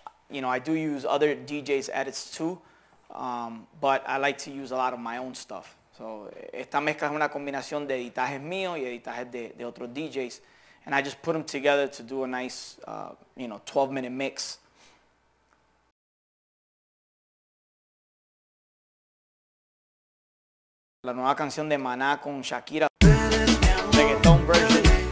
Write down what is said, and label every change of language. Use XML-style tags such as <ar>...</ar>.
<en>You know, I do use other DJs' edits too, but I like to use a lot of my own stuff.</en> <es>So esta mezcla es una combinación de editajes míos y editajes de otros DJs.</es> <en>And I just put them together to do a nice, you know, 12-minute mix.</en> <es>La nueva canción de Maná con Shakira. Reggaeton version.</es>